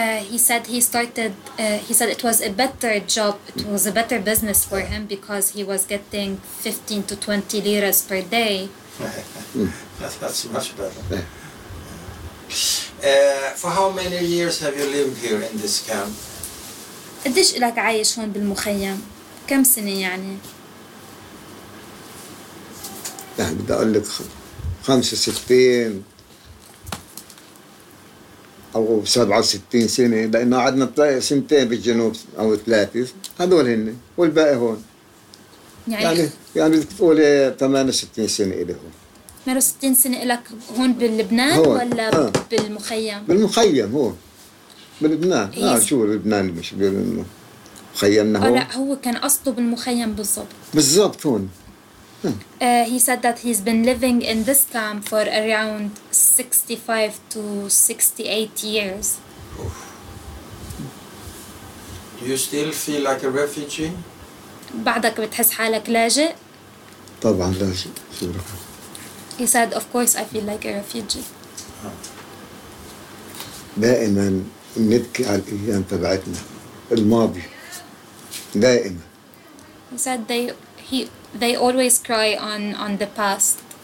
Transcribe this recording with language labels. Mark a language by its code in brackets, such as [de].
[en] He said he started. He said it was a better job. It was a better business for him because he was getting 15 to 20 liras per day. That's much better. For how many years have you lived here in this camp? [ar] قديش لك عايش هون بالمخيم؟ كم سنة يعني؟ لا بدي أقول لك 65 أو 67 سنة لأنه عدنا 2 سنين بالجنوب أو 3 هذول هن والباقي هون يعني بتقولي 68 سنة إلي هون 68 سنة لك هون باللبنان هون. ولا بالمخيم؟ بالمخيم هون بلبنان شو لبنان مش بالمخيم هون لا هو كان قصده بالمخيم بالضبط هون [en] he said that he's been living in this camp for around 65 to 68 years Do you still feel like a refugee [ar] بعدك بتحس حالك لاجئ طبعا لاجئ [en] he said of course I feel like a refugee [ar] دائما نبكي على الأيام تبعتنا الماضي دائما. [en] He said they always cry on the past.